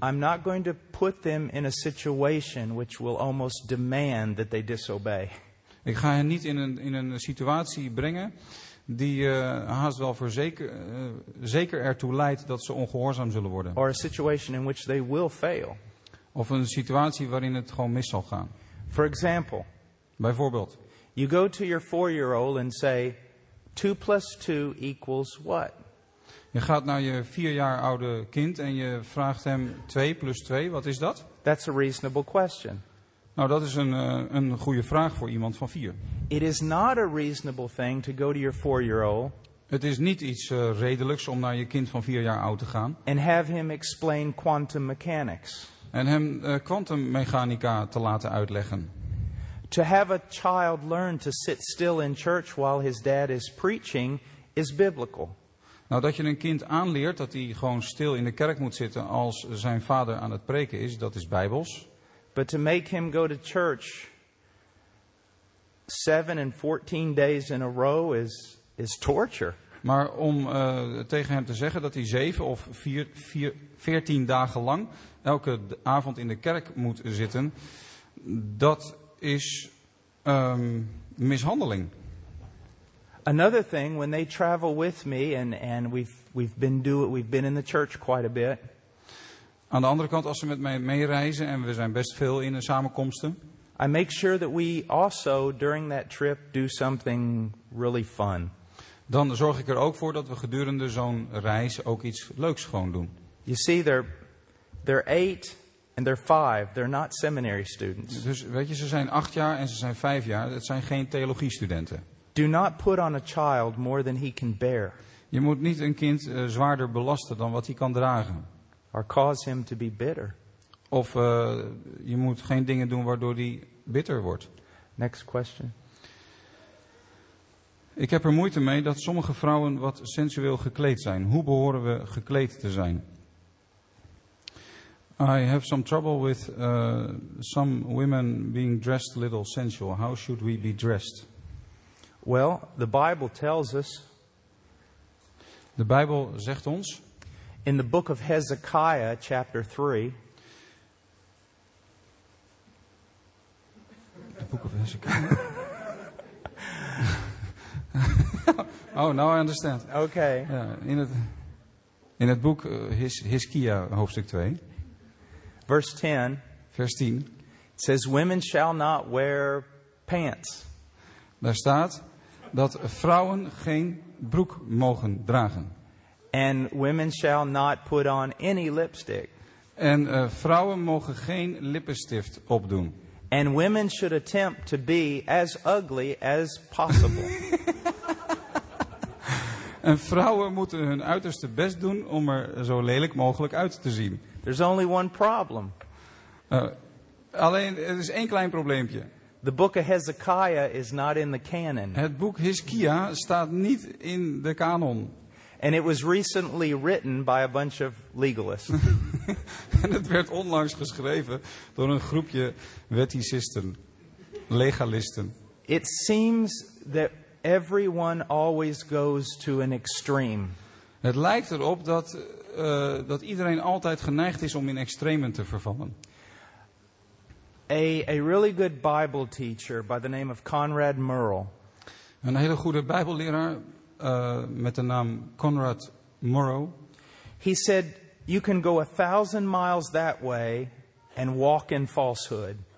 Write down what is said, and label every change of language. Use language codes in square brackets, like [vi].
[en] I'm not going to put them in a situation which will almost demand that they disobey. [nl] Ik ga hen niet in een situatie brengen die haast wel voor zeker ertoe leidt dat ze ongehoorzaam zullen worden. [en] Or a situation in which they will fail. [nl] Of een situatie waarin het gewoon mis zal gaan. [en] For example. [nl] Bijvoorbeeld. [en] You go to your 4-year-old and say, 2 + 2 equals what? [nl] Je gaat naar je 4 jaar oude kind en je vraagt hem 2 + 2, wat is dat? [en] That's a reasonable question. [nl] Nou, dat is een goede vraag voor iemand van 4. [en] It is not a reasonable thing to go to your 4-year-old. [nl] Het is niet iets redelijks om naar je kind van 4 jaar oud te gaan. [en] And have him explain quantum mechanics. [nl] En hem kwantummechanica te laten uitleggen. [en] To have a child learn to sit still in church while his dad is preaching is biblical. [nl] Nou, dat je een kind aanleert dat hij gewoon stil in de kerk moet zitten als zijn vader aan het preken is, dat is bijbels. [en] But to make him go to church 7 and 14 days in a row is torture. [nl] Maar om tegen hem te zeggen dat hij 7 of 14 dagen lang elke avond in de kerk moet zitten, dat is mishandeling. [en] Another thing, when they travel with me and we've been in the church quite a bit. [nl] Aan de andere kant, als ze met mij meereizen en we zijn best veel in de samenkomsten. [en] I make sure that we also during that trip do something really fun. [nl] Dan zorg ik er ook voor dat we gedurende zo'n reis ook iets leuks gewoon doen. [en] You see, they're 8 and they're 5. They're not seminary students. [nl] Dus weet je, ze zijn 8 jaar en ze zijn 5 jaar. Het zijn geen theologiestudenten. [en] Do not put on a child more than he can bear. [nl] Je moet niet een kind zwaarder belasten dan wat hij kan dragen. [en] Or cause him to be bitter. [nl] Of je moet geen dingen doen waardoor die bitter wordt. [en] Next question. [nl] Ik heb er moeite mee dat sommige vrouwen wat sensueel gekleed zijn. Hoe behoren we gekleed te zijn? [en] I have some trouble with some women being dressed a little sensual. How should we be dressed? Well, the Bible tells us. [nl] De Bijbel zegt ons. [en] In the book of Hezekiah, chapter 3. The book of Hezekiah. Oh, now I understand. Okay. [nl] In het boek Hezekiah, hoofdstuk 2. [en] Verse 10. [nl] Vers 10. [en] It says, women shall not wear pants. [nl] Daar staat dat vrouwen geen broek mogen dragen. [en] And women shall not put on any lipstick. [nl] En vrouwen mogen geen lippenstift opdoen. [en] And women should attempt to be as ugly as possible. [nl] En vrouwen moeten hun uiterste best doen om er zo lelijk mogelijk uit te zien. [en] There's only one problem. [nl] Alleen er is één klein probleempje. [en] The book of Hezekiah is not in the canon. [nl] Het boek Hezekiah staat niet in de canon. [en] And it was recently written by a bunch of legalists. [nl] En het werd onlangs geschreven door een groepje wetticisten, legalisten. [en] It seems that everyone always goes to an extreme. [nl] Het lijkt erop dat iedereen altijd geneigd is om in extremen te vervallen. [en] A really good Bible teacher by the name of Conrad Murrell. [nl] Een hele goede Bijbelleraar met de naam Conrad Murrow. [en] He said, "You can go 1,000 miles that way and walk in falsehood."